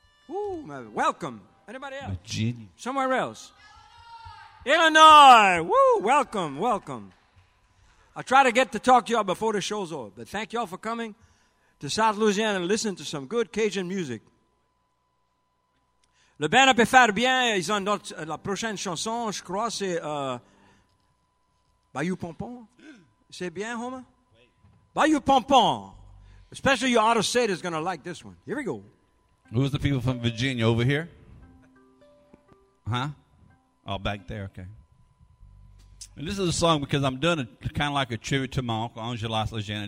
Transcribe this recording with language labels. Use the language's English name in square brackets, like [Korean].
[English] Ooh, welcome. Anybody else? Virginia. Somewhere else? Illinois! Woo! Welcome, welcome. I try to get to talk to y'all before the show's over, but thank y'all for coming to South Louisiana and listen to some good Cajun music. [French] Le band peut faire bien. Ils ont notre, la prochaine chanson, je crois, c'est Bayou Pompon. C'est bien, Homer? Bayou Pompon. [English] Especially your auto state is going to like this one. Here we go. Who's the people from Virginia over here? Huh? Oh, back there, okay. And this is a song because I'm doing kind of like a tribute to my uncle, Angelos Lejeune.